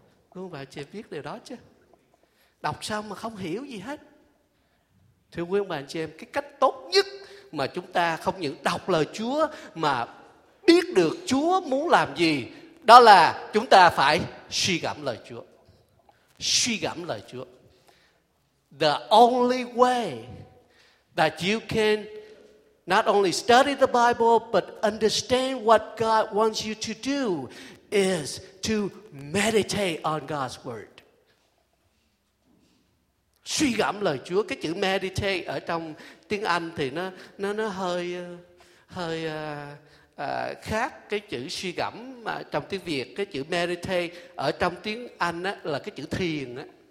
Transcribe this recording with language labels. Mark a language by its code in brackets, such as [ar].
[vi] Quý bà chị em biết điều đó chứ? Đọc xong mà không hiểu gì hết. Thưa quý bà chị em, cái cách tốt nhất mà chúng ta không những đọc lời Chúa mà biết được Chúa muốn làm gì, đó là chúng ta phải suy gẫm lời Chúa. Suy gẫm lời Chúa. [en] The only way that you can not only study the Bible but understand what God wants you to do is to meditate on God's word. [vi] Suy gẫm lời Chúa. Cái chữ meditate ở trong tiếng Anh thì nó hơi khác cái chữ suy gẫm mà trong tiếng Việt. Cái chữ meditate ở trong tiếng Anh á, là cái chữ thiền á.